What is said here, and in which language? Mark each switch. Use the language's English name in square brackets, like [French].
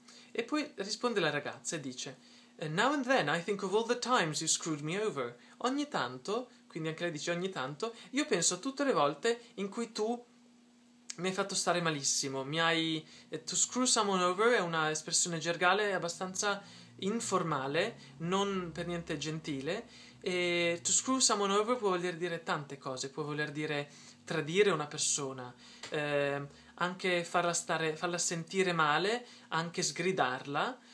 [Italian] E poi risponde la ragazza e dice... [English] And now and then I think of all the times you screwed me over. [Italian] Ogni tanto, quindi anche lei dice ogni tanto, io penso a tutte le volte in cui tu mi hai fatto stare malissimo. [English] To screw someone over [Italian] è una espressione gergale abbastanza informale, non per niente gentile. E [English] to screw someone over [Italian] può voler dire tante cose, può voler dire tradire una persona, anche farla sentire male, anche sgridarla.